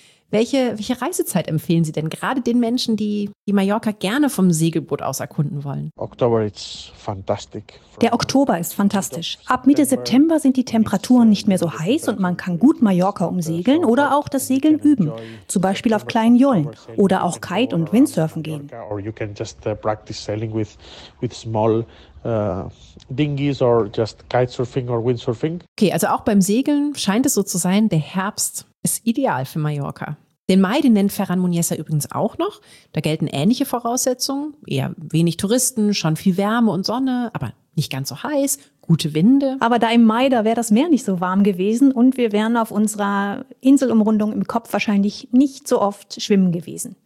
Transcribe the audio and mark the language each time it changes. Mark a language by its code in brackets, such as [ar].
[de] Welche Reisezeit empfehlen Sie denn gerade den Menschen, die Mallorca gerne vom Segelboot aus erkunden wollen? [en] October is fantastic. [de] Der Oktober ist fantastisch. Ab Mitte September sind die Temperaturen nicht mehr so heiß und man kann gut Mallorca umsegeln oder auch das Segeln üben. Zum Beispiel auf kleinen Jollen oder auch Kite- und Windsurfen gehen. [en] Or you can just practice sailing with small dinghies or just kitesurfing or windsurfing. [de] Okay, also auch beim Segeln scheint es so zu sein, der Herbst ist ideal für Mallorca. Den Mai, den nennt Ferran Muniesa übrigens auch noch. Da gelten ähnliche Voraussetzungen. Eher wenig Touristen, schon viel Wärme und Sonne, aber nicht ganz so heiß, gute Winde. Aber da im Mai, da wäre das Meer nicht so warm gewesen und wir wären auf unserer Inselumrundung im Kopf wahrscheinlich nicht so oft schwimmen gewesen.